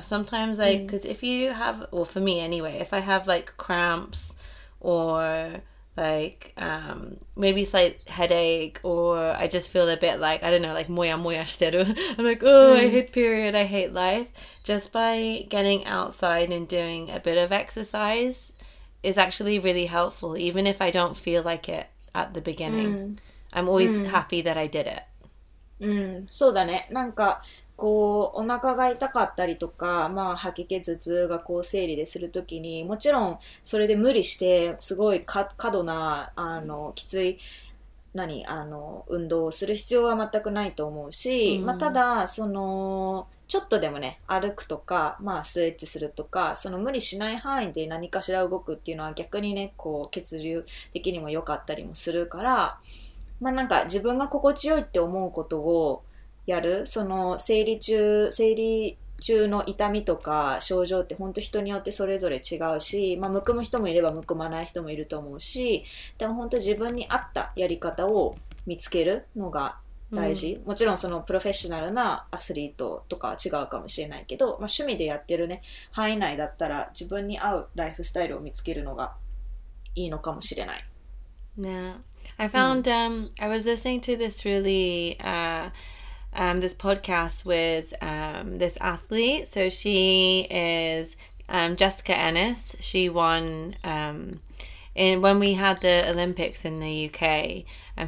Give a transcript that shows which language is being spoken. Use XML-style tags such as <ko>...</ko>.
<en>Sometimes like, because if you have, well for me anyway, if I have like cramps,or like maybe slight headache, or I just feel a bit like, I don't know, like</en> <ja>moya moya shiteru.</ja> <en>I'm like, oh, I hate period, I hate life. Just by getting outside and doing a bit of exercise is actually really helpful, even if I don't feel like it at the beginning. I'm always happy that I did it.</en> <ja>そうだね。なんかこうお腹が痛かったりとか、まあ、吐き気頭痛がこう生理でするときに、もちろんそれで無理してすごい過度なきつい運動をする必要は全くないと思うし、まあ、ただそのちょっとでもね、歩くとか、まあ、ストレッチするとか、その無理しない範囲で何かしら動くっていうのは逆にね、こう血流的にも良かったりもするから、まあ、なんか自分が心地よいって思うことをやる、その生理中の痛みとか症状って本当人によってそれぞれ違うし、まあ、むくむ人もいればむくまない人もいると思うし、でも本当自分に合ったやり方を見つけるのが大事、うん、もちろんそのプロフェッショナルなアスリートとかは違うかもしれないけど、まあ、趣味でやってるね範囲内だったら自分に合うライフスタイルを見つけるのがいいのかもしれない。</ja> <en>ね、I found、うん、I was listening to this really this podcast with this athlete. So she is Jessica Ennis. She won when we had the Olympics in the UK.</en>